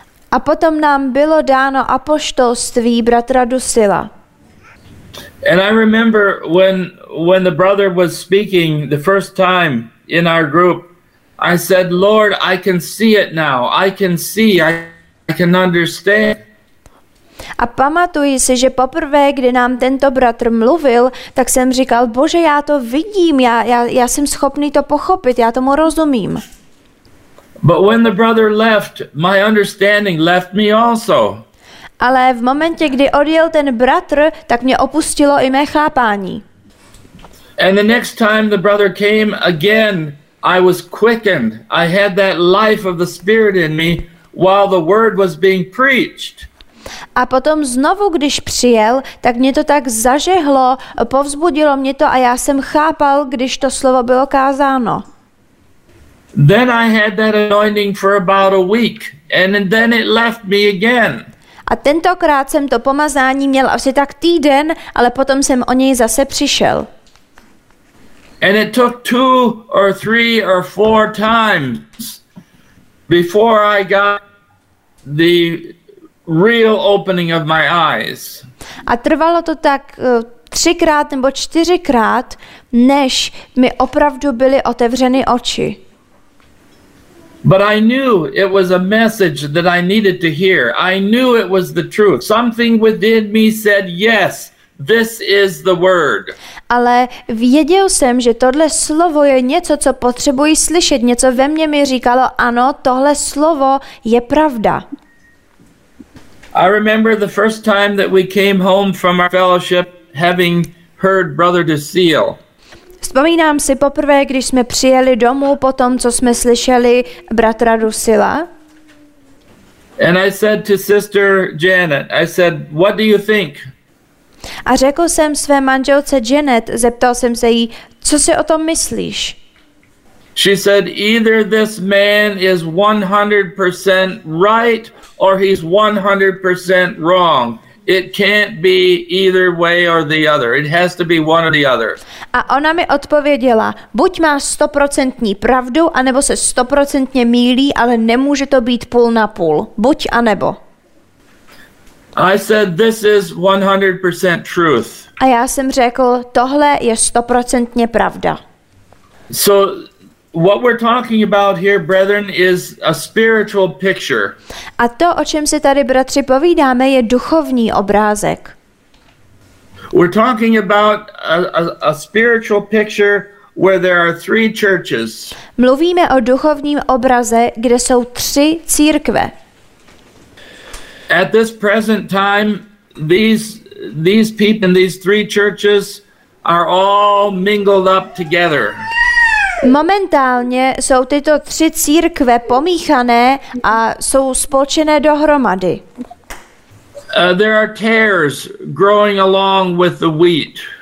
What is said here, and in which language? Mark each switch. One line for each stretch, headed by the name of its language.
Czech: A potom nám bylo dáno apoštolství bratra Dusila.
English: And I remember when the brother was speaking the first time in our group, I said, Lord, I can see it now. I can understand.
Czech: A pamatuji si, že poprvé, kdy nám tento bratr mluvil, tak jsem říkal, Bože, já to vidím, já jsem schopný to pochopit, já tomu rozumím.
English: But when the brother left, my understanding left me also.
Czech: Ale v momentě, kdy odjel ten bratr, tak mě opustilo i mé chápání.
English: And the next time the brother came again, I was quickened. I had that life of the Spirit in me while the word was being preached.
Czech: A potom znovu, když přijel, tak mě to tak zažehlo, povzbudilo mě to a já jsem chápal, když to slovo bylo kázáno.
English: Then I had that anointing for about a week and then it left me again.
Czech: A tentokrát jsem to pomazání měl asi tak týden, ale potom jsem o něj zase přišel.
English: And it took two or three or four times before I got the real opening of my eyes.
Czech: A trvalo to tak třikrát nebo čtyřikrát, než mi opravdu byly otevřeny oči.
English: But I knew it was a message that I needed to hear. I knew it was the truth. Something within me said, yes, this is the word.
Czech: Ale věděl jsem, že tohle slovo je něco, co potřebuji slyšet. Něco ve mně mi říkalo, ano, tohle slovo je pravda.
English: I remember the first time that we came home from our fellowship having heard Brother DeSeal.
Czech: Vzpomínám si poprvé, když jsme přijeli domů po tom, co jsme slyšeli bratra DeSeala.
English: And I said to sister Janet, I said, what do you think?
Czech: A řekl jsem své manželce Janet, zeptal jsem se jí, co si o tom myslíš?
English: She said, either this man is 100% right or he's 100% wrong. It can't be either way or the other. It has to be one or the other.
Czech: A ona mi odpověděla, buď má 100% pravdu, anebo se 100% mýlí, ale nemůže to být půl na půl. Buď a nebo.
English: I said, this is 100% truth.
Czech: A já jsem řekl, tohle je 100% pravda.
English: So what we're talking about here, brethren, is a spiritual picture.
Czech: A to, o čem si tady, bratři, povídáme, je duchovní obrázek.
English: We're talking about a spiritual picture where there are three churches.
Czech: Mluvíme o duchovním obraze, kde jsou tři církve.
English: At this present time, these people in these three churches are all mingled up together.
Czech: Momentálně jsou tyto tři církve pomíchané a jsou spolčené dohromady.
English: There are tares growing along with the wheat.